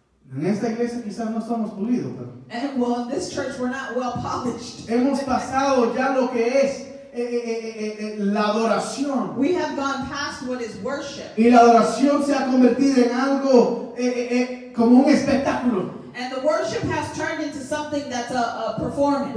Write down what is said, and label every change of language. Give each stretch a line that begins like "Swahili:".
Spanish: En esta iglesia quizás no somos pulidos, pero.
English: And well, in this church we're not well polished.
Spanish: Hemos pasado ya lo que es la adoración.
English: We have gone past what is worship.
Spanish: Y la adoración se ha convertido en algo como un espectáculo.
English: And the worship has turned into something that's a performance.